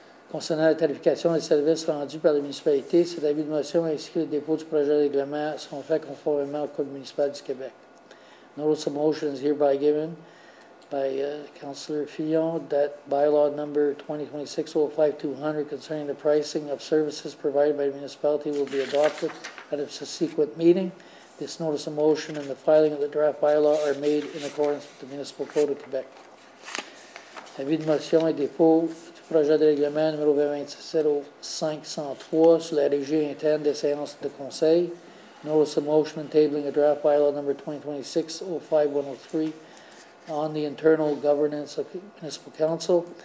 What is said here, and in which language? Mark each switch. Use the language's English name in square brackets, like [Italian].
[French] Concernant la tarification des services rendus par la municipalité, cet avis de motion ainsi que le dépôt du projet de règlement seront faits conformément au Code municipal du Québec. [English] Notice of motion is hereby given by Councillor Fillon, that bylaw number 2026-05-200 concerning the pricing of services provided by the municipality will be adopted at a subsequent meeting. This notice of motion and the filing of the draft bylaw are made in accordance with the Municipal Code of Quebec. [French] Avis de motion et dépôt du projet de règlement numéro 2027-0503 sur la régie interne des séances de conseil. [English] Notice of motion and tabling a draft bylaw number 2026-05-103 on the internal governance of the municipal council.